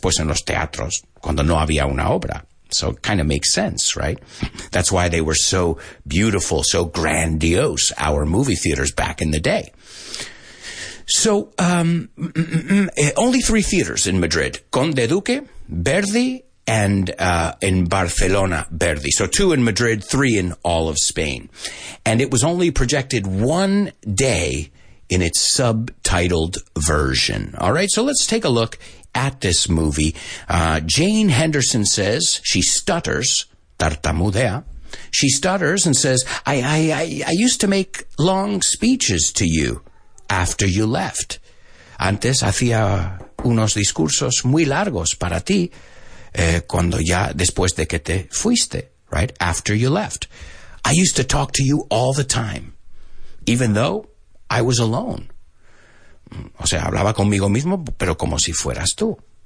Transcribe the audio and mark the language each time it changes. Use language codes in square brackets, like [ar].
[es] Pues en los teatros, cuando no había una obra. [en] So it kind of makes sense, right? That's why they were so beautiful, so grandiose, our movie theaters back in the day. So only three theaters in Madrid, Conde Duque, Verdi, and in Barcelona, Verdi. So two in Madrid, three in all of Spain. And it was only projected one day in its subtitled version. All right, so let's take a look at this movie. Jane Henderson says, she stutters, tartamudea. She stutters and says, I used to make long speeches to you after you left. [es] Antes hacía unos discursos muy largos para ti cuando ya después de que te fuiste, [en] right? After you left. I used to talk to you all the time, even though I was alone. [es] O sea, hablaba conmigo mismo, pero como si fueras tú.